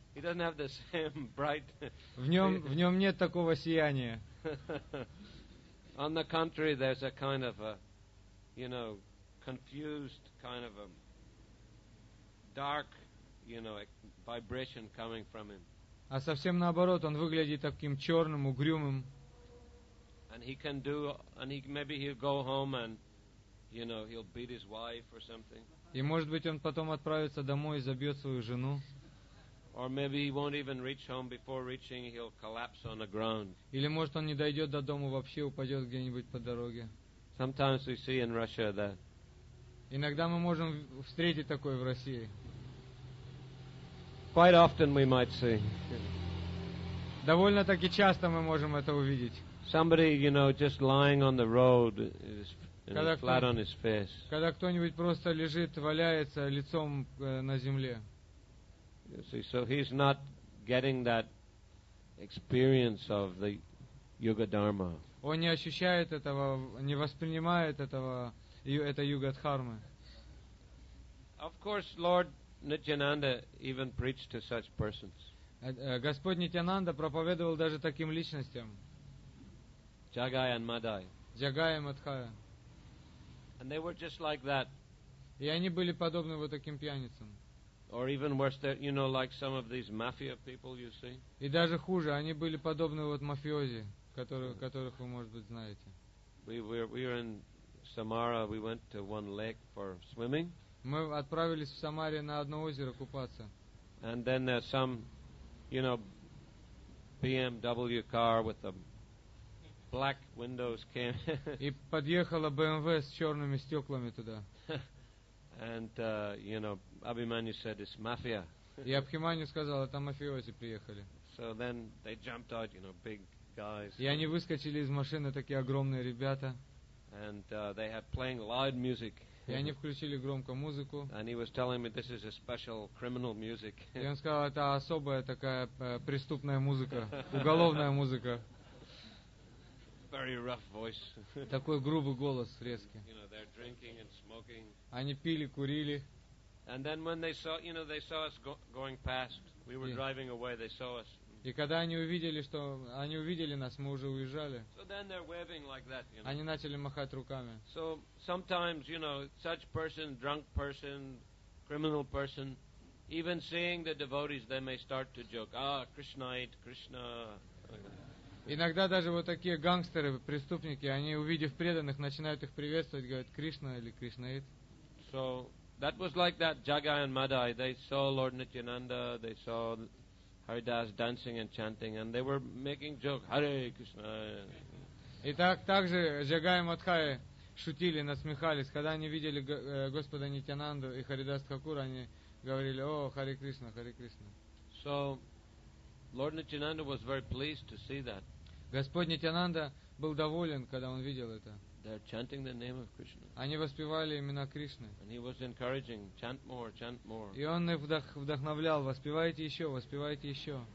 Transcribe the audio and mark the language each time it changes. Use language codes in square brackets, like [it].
[en] He doesn't have the same bright. [ru] В нем нет такого сияния. [en] On the contrary, there's a kind of a, you know, confused kind of a dark, you know, a vibration coming from him. [ru] А совсем наоборот, он выглядит таким черным, угрюмым. [en] And he can do, and he maybe he'll go home and, you know, he'll beat his wife or something. [ru] И может быть он потом отправится домой и забьет свою жену. [en] Or maybe he won't even reach home. Before reaching, he'll collapse on the ground. [ru] Или может он не дойдет до дома вообще, упадет где-нибудь по дороге. [en] Sometimes we see in Russia that. [ru] Иногда мы можем встретить такое в России. [en] Quite often we might see. [ru] Довольно-таки часто мы можем это увидеть. [en] Somebody, you know, just lying on the road, flat on his face. [ru] Когда кто-нибудь просто лежит, валяется лицом на земле. [en] You see, so he's not getting that experience of the yoga dharma. [ru] Он не ощущает этого, не воспринимает этого, это юга дхармы. [en] Of course, Lord Nityananda even preached to such persons. [ru] Господь Нитянанда проповедовал даже таким личностям. [en] Jagai and Madai. Jagai and Madhaya. And they were just like that. [ru] И они были подобны вот таким пьяницам. [en] Or even worse, that you know, like some of these mafia people you see. [ru] И даже хуже, они были подобны вот мафиози, которых вы, может быть, знаете. [en] We were in Samara. We went to one lake for swimming. [ru] Мы отправились в Самаре на одно озеро купаться. [en] And then there's some, you know, BMW car with the black windows came. [ru] И подъехала BMW с черными стеклами туда. [en] And you know, Abhimanyu said it's mafia. [ru] И Абхиманю сказал, это мафиози приехали. [en] So then they jumped out, you know, big guys. [ru] И они выскочили из машины, такие огромные ребята. [en] And they had playing loud music. [ru] И они включили громко музыку. [en] And he was telling me this is a special criminal music. [ru] И он сказал, это особая такая преступная музыка, уголовная музыка. [en] Very rough voice. [ru] Такой грубый голос, резкий. [en] You know, they're drinking and smoking. [ru] Они пили, курили. [en] And then when they saw, you know, they saw us going past, we were driving away, they saw us. [ru] И когда они увидели, что они увидели нас, мы уже уезжали. [en] So then they're waving like that, you know. [ru] Они начали махать руками. [en] So sometimes, you know, such person, drunk person, criminal person, even seeing the devotees, they may start to joke. Ah, Krishnaite, Krishna. [ru] Иногда даже вот такие гангстеры, преступники, они, увидев преданных, начинают их приветствовать, говорят, Кришна или Кришнаит. [en] So that was like that, Jagai and Madai. They saw Lord Nityananda, they saw Haridas dancing and chanting, and they were making joke. Hare Krishna. [ru] Итак, также Джагай и Мадхай шутили, насмехались, когда они видели Господа Нитянанду и Харидас Такур, они говорили: "О, Харе Кришна, Харе Кришна." [en] So Lord Nityananda was very pleased to see that. [ru] Господь Нитянанда был доволен, когда он видел это. [en] They're chanting the name of Krishna. [ru] Они воспевали имена Кришны. [en] And he was encouraging, chant more, chant more. [ru] И он их вдохновлял, воспевайте еще, воспевайте еще.